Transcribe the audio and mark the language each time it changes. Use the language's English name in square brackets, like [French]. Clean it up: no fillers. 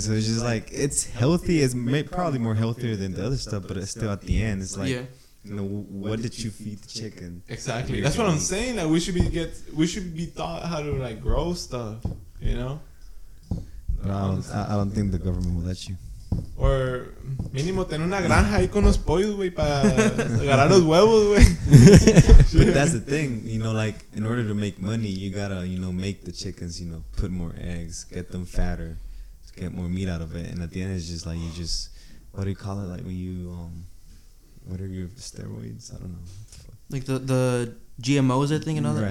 [English] So it's just like it's healthy. It's probably more healthier than the other stuff, but it's still at the end, it's like. Yeah. No, what did you feed the chicken? Exactly. That's what I'm saying. Like we should be taught how to like grow stuff. You know. No, I don't think the government will let you. [Spanish] Or mínimo tener una granja ahí con los pollos, güey, para agarrar los huevos, güey. [English] But that's the thing. You know, like in order to make money, you gotta you know make the chickens. You know, put more eggs, get them fatter, get more meat out of it. And at the end, it's just like you just what do you call it? Like when you what are your steroids? I don't know. Like the GMOs, I think, and all that?